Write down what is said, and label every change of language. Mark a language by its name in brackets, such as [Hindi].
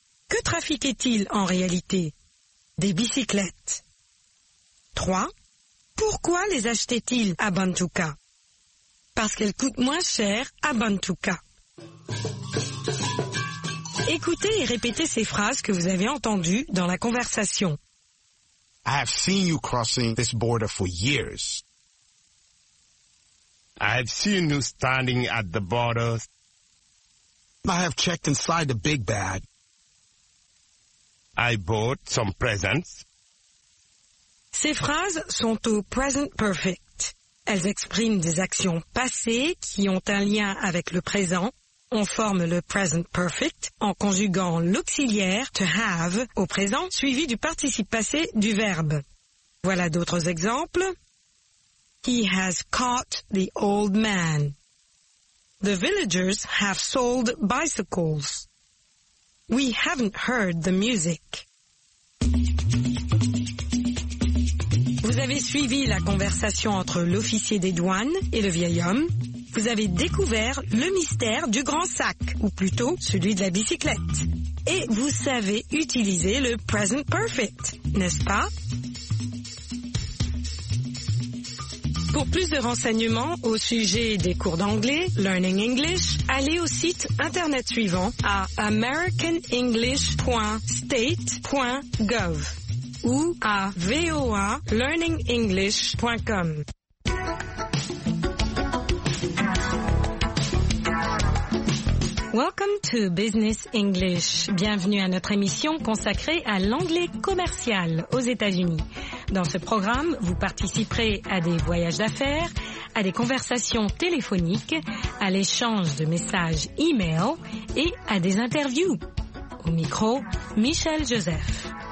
[French] Que trafiquait-il en réalité? Des bicyclettes. 3. Pourquoi les achetait-il à Bantuka? Parce qu'elles coûtent moins cher à Bantuka. Écoutez et répétez ces phrases que vous avez entendues dans la conversation. [English] I have seen you crossing this border for years. I have seen you standing at the border. I have checked inside the big bag. I bought some presents. [French] Ces phrases sont au present perfect. Elles expriment des actions passées qui ont un lien avec le présent. On forme le present perfect en conjuguant l'auxiliaire to have au présent suivi du participe passé du verbe. Voilà d'autres exemples. [English] He has caught the old man. The villagers have sold bicycles. We haven't heard the music. [French] Vous avez suivi la conversation entre l'officier des douanes et le vieil homme. Vous avez découvert le mystère du grand sac, ou plutôt celui de la bicyclette. et vous savez utiliser le present perfect, n'est-ce pas? Pour plus de renseignements au sujet des cours d'anglais, Learning English, allez au site internet suivant à americanenglish.state.gov ou à voalearningenglish.com. [English] Welcome to Business English. [French] Bienvenue à notre émission consacrée à l'anglais commercial aux États-Unis. Dans ce programme, vous participerez à des voyages d'affaires, à des conversations téléphoniques, à l'échange de messages e-mail et à des interviews. Au micro, Michel Joseph.